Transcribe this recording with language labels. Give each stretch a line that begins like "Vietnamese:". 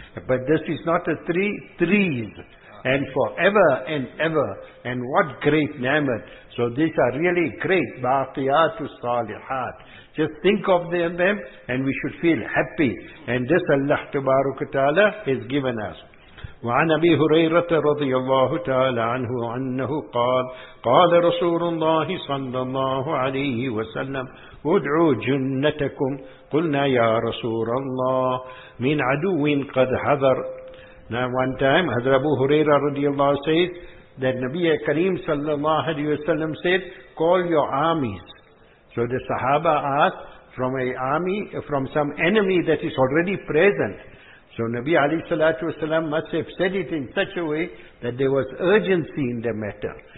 English: But this is not a tree, trees. And forever and ever. And what great ni'mat. So these are really great baqiyatu salihat. Just think of them and we should feel happy. And this Allah tabaraka ta'ala has given us.
Arabic: وعن أبي هريرة رضي الله تعالى عنه أنه قال قال رسول الله صلى الله عليه وسلم ادعوا جنتكم قلنا يا رسول الله من عدو قد حذر.
English: Now one time Hazrat Abu Huraira رضي الله said that Nabi Kareem صلى الله عليه وسلم said call your armies. So the Sahaba asked from an army, from some enemy that is already present. So Nabi alayhi salatu wasalam must have said it in such a way that there was urgency in the matter.